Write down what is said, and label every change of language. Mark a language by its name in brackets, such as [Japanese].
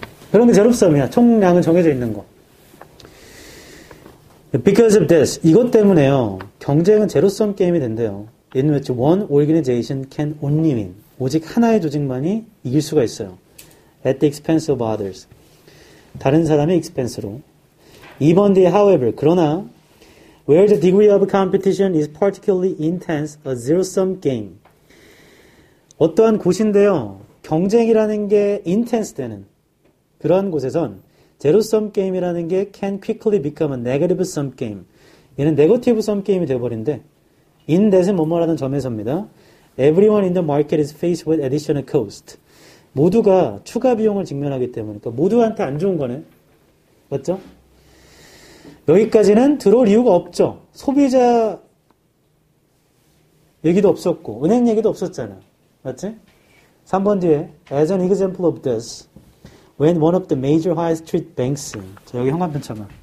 [Korean] 그런 게 재롭싸움이야. 총량은 정해져 있는 거. [English] Because of this, [Korean] 이것 때문에요. 경쟁은 제로섬 게임이 된대요. [English] In which one organization can only win. [Korean] 오직 하나의 조직만이 이길 수가 있어요. [English] At the expense of others. [Korean] 다른 사람의 expense로. 2번 뒤에 [English] however, [Korean] 그러나 [English] where the degree of competition is particularly intense, a zero-sum game. [Korean] 어떠한 곳인데요. 경쟁이라는 게 intense 되는 그러한 곳에선 제로섬 게임이라는 게 [English] can quickly become a negative sum game. [Korean] 얘는 negative sum game이 되어버린데 in that은 뭐 말하는 점에서입니다. [English] Everyone in the market is faced with additional cost. [Korean] 모두가 추가 비용을 직면하기 때문에 그러니까 모두한테 안 좋은 거네. 맞죠? 여기까지는 들어올 이유가 없죠. 소비자 얘기도 없었고 은행 얘기도 없었잖아. [English] 맞지? [Korean] 3번 뒤에 [English] As an example of this, when one of the major high street banks, [Korean] 자, 여기 현관편 참아.